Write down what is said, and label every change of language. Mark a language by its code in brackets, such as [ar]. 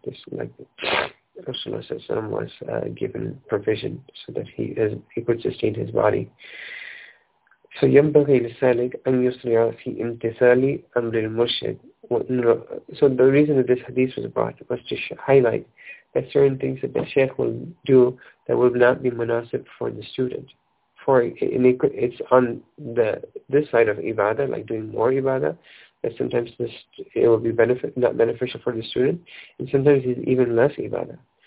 [en] This like Rasulullah was given provision so that he could sustain his body. [ar] So ينبغي للسالك أن يسرع في امتثال أمر المرشد. [en] So the reason that this hadith was brought was to highlight that certain things that the Shaykh will do that will not be munasib for the student. For it's on this side of ibadah, like doing more ibadah, that sometimes it will be not beneficial for the student, and sometimes it's even less ibadah.